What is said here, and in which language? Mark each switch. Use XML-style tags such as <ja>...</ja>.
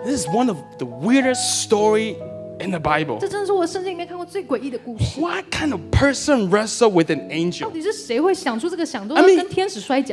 <en>This is one of the weirdest story in the Bible.</en> <zh>这真的是我圣经里面看过最诡异的故事。</zh> <en>What kind of person wrestle with an angel?</en> <zh>到底是谁会想出这个想都要跟天使摔跤？</zh>